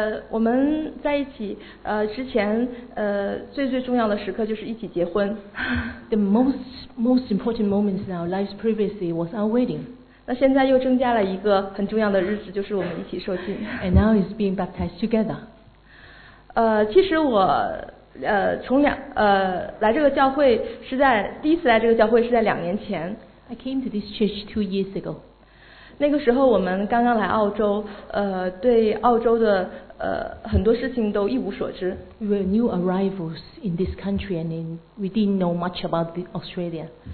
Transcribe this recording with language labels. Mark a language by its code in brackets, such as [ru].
[zh] 我们在一起，之前，最最重要的时刻就是一起结婚。 [en] The most important moments in our lives previously was our wedding. [zh] 那现在又增加了一个很重要的日子，就是我们一起受浸。 [en] And now it's being baptized together. [zh] 其实我来这个教会是在第一次来这个教会是在两年前。 [en] I came to this church 2 years ago. [zh] 那个时候我们刚刚来澳洲，对澳洲的很多事情都一无所知。 [en] We were new arrivals in this country and we didn't know much about Australia.